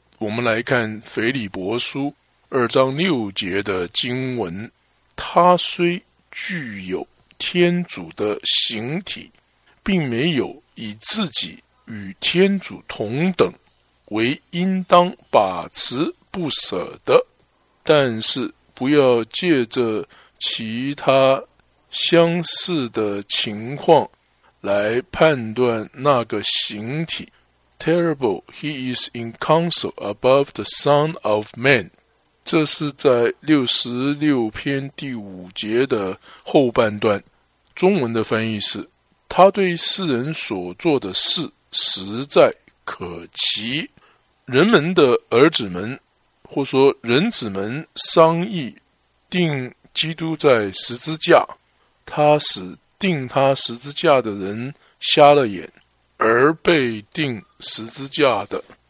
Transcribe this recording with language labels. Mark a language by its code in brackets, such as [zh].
[zh] 我们来看腓立伯书二章六节的经文，他虽具有天主的形体，并没有以自己与天主同等为应当把持不舍的，但是不要借着其他相似的情况来判断那个形体。 [en] Terrible, he is in counsel above the son of man。 [zh] 这是在66篇第五节的后半段，中文的翻译是他对世人所做的事实在可奇。人们的儿子们，或说人子们，商议定基督在十字架，他使定他十字架的人瞎了眼，而被定十字架的。